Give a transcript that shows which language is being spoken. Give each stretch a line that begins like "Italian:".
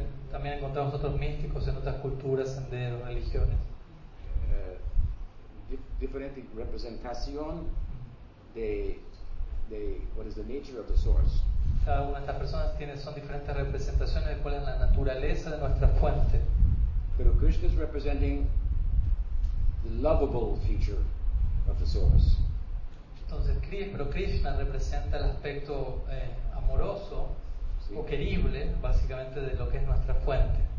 Spanish: También encontramos otros místicos en otras culturas, senderos, religiones. Diferente representación de
English: what is the nature of the source.
Spanish: Cada una de estas personas tiene, son diferentes representaciones de cuál es la naturaleza de nuestra fuente.
English: Pero Krishna is representing the lovable feature of the source.
Spanish: Entonces, pero Krishna representa el aspecto amoroso, sí, o querible, básicamente, de lo que es nuestra fuente.